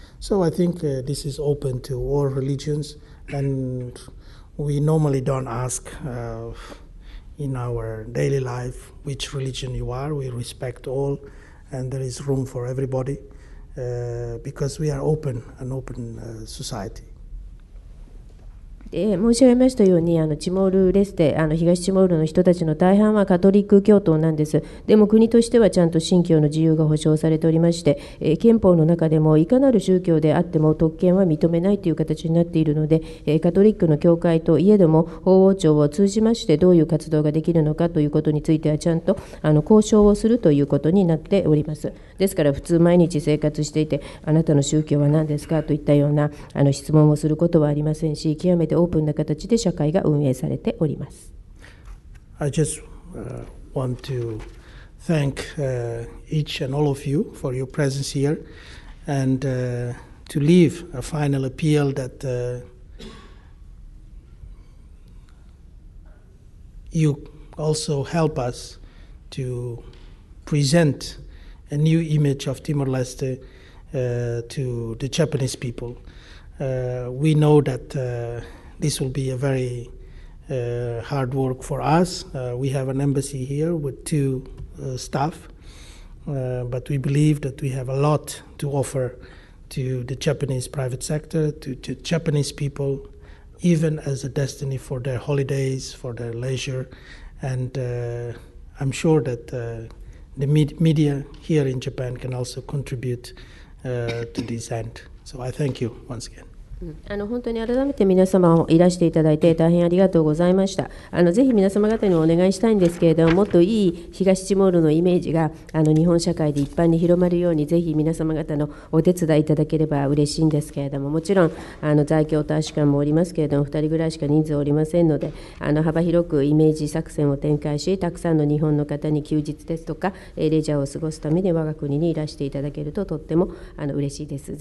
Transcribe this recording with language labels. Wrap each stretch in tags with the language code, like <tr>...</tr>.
<en>So I think this is open to all religions, and we normally don't ask in our daily life which religion you are. We respect all, and there is room for everybody because we are an open society.</en> <ja>申し上げましたように、チモールレステ、東チモールの人たちの大半はカトリック教徒なんです。でも国としてはちゃんと信教の自由が保障されておりまして、憲法の中でもいかなる宗教であっても特権は認めないという形になっているので、カトリックの教会といえども法王庁を通じましてどういう活動ができるのかということについてはちゃんと交渉をするということになっております。ですから普通毎日生活していて、あなたの宗教は何ですかといったような質問をすることはありませんし、極めてオープンな形で社会が運営されております。</ja> <en>I just want to thank each and all of you for your presence here and to leave a final appeal that you also help us to present a new image of Timor-Leste to the Japanese people. We know thatThis will be a very hard work for us. We have an embassy here with two staff, but we believe that we have a lot to offer to the Japanese private sector, to Japanese people, even as a destiny for their holidays, for their leisure. And I'm sure that the media here in Japan can also contribute to this end. So I thank you once again.</en> <ja>本当に改めて皆様をいらしていただいて大変ありがとうございました。ぜひ皆様方にお願いしたいんですけれども、もっといい東チモールのイメージが日本社会で一般に広まるように、ぜひ皆様方のお手伝いいただければ嬉しいんですけれども、もちろん在京大使館もおりますけれども、2人ぐらいしか人数おりませんので、幅広くイメージ作戦を展開し、たくさんの日本の方に休日ですとかレジャーを過ごすために我が国にいらしていただけるととっても嬉しいです。</ja>